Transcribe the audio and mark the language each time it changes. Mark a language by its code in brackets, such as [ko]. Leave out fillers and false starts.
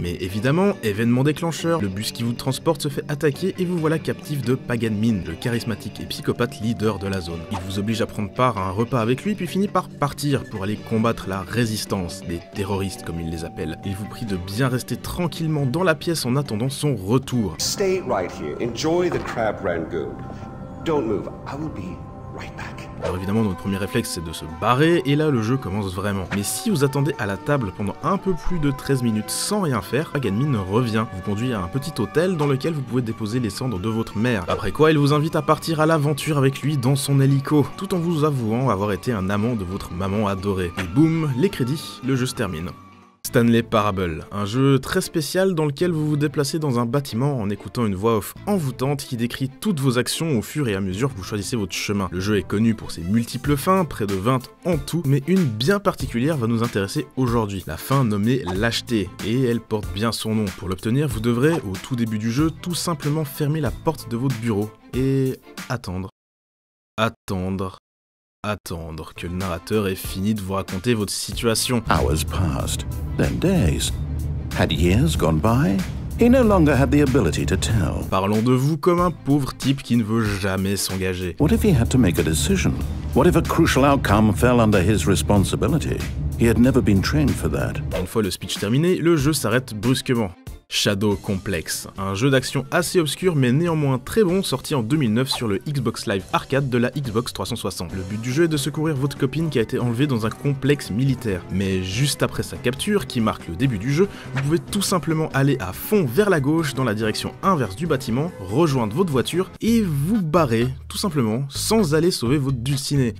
[fr] Mais évidemment, événement déclencheur, le bus qui vous transporte se fait attaquer et vous voilà captif de Pagan Min, le charismatique et psychopathe leader de la zone. Il vous oblige à prendre part à un repas avec lui puis finit par partir pour aller combattre la résistance, les terroristes comme il les appelle. Il vous prie de bien rester tranquillement dans la pièce en attendant son retour. [en] Stay right here, enjoy the crab rangoon. Don't move, I will be right back. [fr] Alors évidemment, notre premier réflexe c'est de se barrer, et là le jeu commence vraiment. Mais si vous attendez à la table pendant un peu plus de 13 minutes sans rien faire, Pagan Min revient, vous conduit à un petit hôtel dans lequel vous pouvez déposer les cendres de votre mère. Après quoi, il vous invite à partir à l'aventure avec lui dans son hélico, tout en vous avouant avoir été un amant de votre maman adorée. Et boum, les crédits, le jeu se termine. Stanley Parable, un jeu très spécial dans lequel vous vous déplacez dans un bâtiment en écoutant une voix off envoûtante qui décrit toutes vos actions au fur et à mesure que vous choisissez votre chemin. Le jeu est connu pour ses multiples fins, près de 20 en tout, mais une bien particulière va nous intéresser aujourd'hui, la fin nommée Lâcheté, et elle porte bien son nom. Pour l'obtenir, vous devrez, au tout début du jeu, tout simplement fermer la porte de votre bureau et attendre. Attendre que le narrateur ait fini de vous raconter votre situation. [en] Hours passed, then days. Had years gone by? He no longer had the ability to tell. [fr] Parlons de vous comme un pauvre type qui ne veut jamais s'engager. [en] What if he had to make a decision? What if a crucial outcome fell under his responsibility? He had never been trained for that. [fr] Une fois le speech terminé, le jeu s'arrête brusquement. Shadow Complex, un jeu d'action assez obscur mais néanmoins très bon, sorti en 2009 sur le Xbox Live Arcade de la Xbox 360. Le but du jeu est de secourir votre copine qui a été enlevée dans un complexe militaire. Mais juste après sa capture, qui marque le début du jeu, vous pouvez tout simplement aller à fond vers la gauche dans la direction inverse du bâtiment, rejoindre votre voiture et vous barrer, tout simplement, sans aller sauver votre dulcinée.